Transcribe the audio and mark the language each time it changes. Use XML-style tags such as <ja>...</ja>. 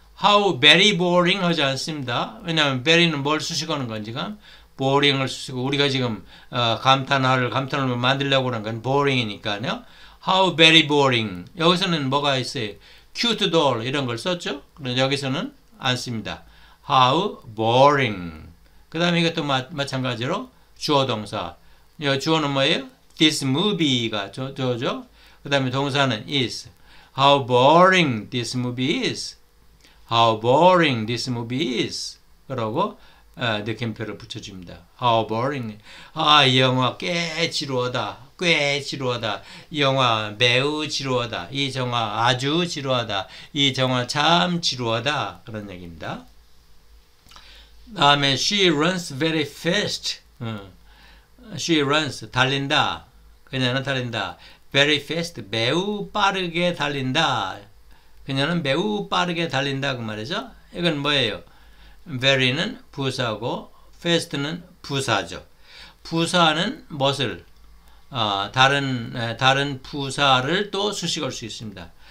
<en>How very boring 하지 않습니다.</en> <ko>왜냐하면 very는 뭘 수식하는 건지가 boring을 수식하고 우리가 지금 감탄을 만들려고 하는 건 boring이니까요.</ko> <en>How very boring.</en> <ko>여기서는 뭐가 있어요? Cute doll 이런 걸 썼죠? 그런데 여기서는 안 씁니다.</ko> <en>How boring.</en> <ko>그 다음에 이것도 마찬가지로 주어 동사. 여기 주어는 뭐예요? This movie가 주어죠. 그 다음에 동사는 is.</ko> <en>How boring this movie is. How boring this movie is.</en> <ko>그러고 느낌표를 붙여줍니다.</ko> <en>How boring.</en> <ko>아, 이 영화 꽤 지루하다. 꽤 지루하다. 이 영화 매우 지루하다. 이 영화 아주 지루하다. 이 영화 참 지루하다. 그런 얘기입니다.</ko> <en>다음에 she runs very fast. She runs.</en> <ko>달린다. 그녀는 달린다.</ko> <en>Very fast,</en> <ko>매우 빠르게 달린다. 그녀는 매우 빠르게 달린다 그 말이죠. 이건 뭐예요? Very는 부사고 fast는 부사죠. 부사는 무엇을? 다른 부사를 또 수식할 수 있습니다.</ko>